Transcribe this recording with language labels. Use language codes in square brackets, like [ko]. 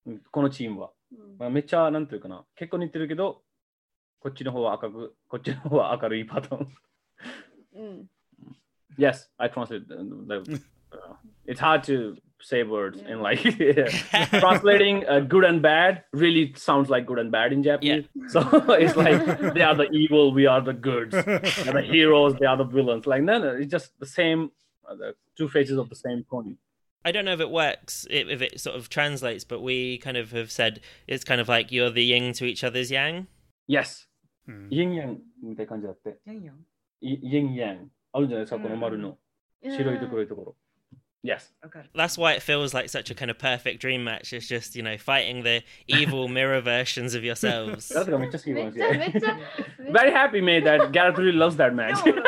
[ja] このチームは。まあ、めっちゃ、なんていうかな、結構似てるけど、こっちの方は赤く、こっちの方は明るいパターン。 [en] Yes, I translated. It's hard to say words in like translating good and bad really sounds like good and bad in Japanese. Yeah. So it's like they are the evil, we are the goods. They are the heroes, they are the villains. Like, no, it's just the same, the two faces of the same coin. I don't know if it works, if it sort of translates, but we kind of have said it's kind of like you're the yin to each other's yang. Yes. Yin yang. Yin yang. Yin yang. [ja] あるじゃないですか、この丸の白いところ、 [en] Yes. Okay. That's why it feels like such a kind of perfect dream match. It's just, you know, fighting the evil mirror versions of yourselves. That's gonna be just good. Very happy, mate, that Gareth really loves that match.